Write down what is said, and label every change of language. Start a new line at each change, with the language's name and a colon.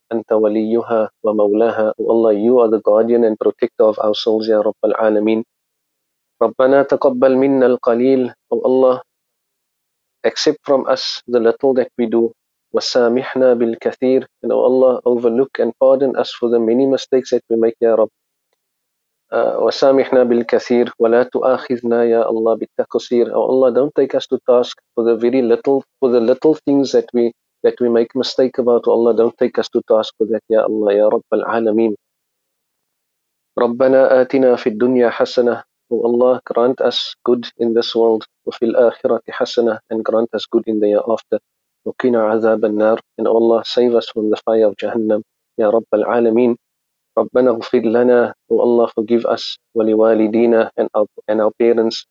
Arabic: أنت وليها ومولاها.
English: O Allah, you are the guardian and protector of our souls, Ya Rabb al-Alameen.
Arabic: ربنا تقبل منا القليل.
English: O Allah, accept from us the little that we do.
Arabic: وسامحنا بالكثير.
English: And O Allah, overlook and pardon us for the many mistakes that we make, Ya Rabb.
Arabic: وسامحنا بالكثير. ولا تؤاخذنا يا الله بالتقصير.
English: O Allah, don't take us to task for the very little, for the little things that we make mistake about. O Allah, don't take us to task for that, Ya Allah, Ya Rabb al-Alameen.
Arabic: ربنا آتنا في الدنيا حسنة.
English: O Allah, grant us good in this world.
Arabic: وفي الآخرة حسنة,
English: and grant us good in the year after.
Arabic: وقنا عذاب النار.
English: And O Allah, save us from the fire of Jahannam, Ya Rabb al-Alameen.
Arabic: ربنا اغفر لنا.
English: O Allah, forgive us.
Arabic: ولوالدينا,
English: and our parents.